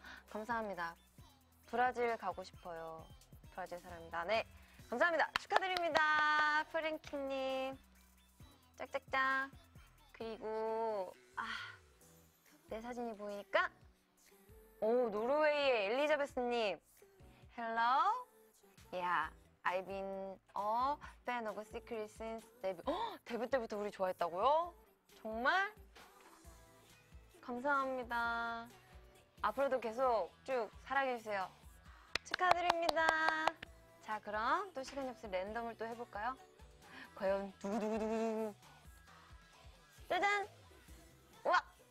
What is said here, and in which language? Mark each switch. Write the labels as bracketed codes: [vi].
[ko] 감사합니다. 브라질 가고 싶어요. 브라질 사람입니다. 네, 감사합니다. 축하드립니다. 프랭키님 짝짝짝. 그리고 내 사진이 보이니까 노르웨이의 엘리자베스님. [en] 헬로 야, I've been a fan of Secret since 데뷔. [ko] 데뷔 때부터 우리 좋아했다고요? 정말? 감사합니다. 앞으로도 계속 쭉 사랑해주세요. 축하드립니다. 자, 그럼 또 시간이 없을 랜덤을 또 해볼까요? 과연 두구두구두구. 짜잔! 우와!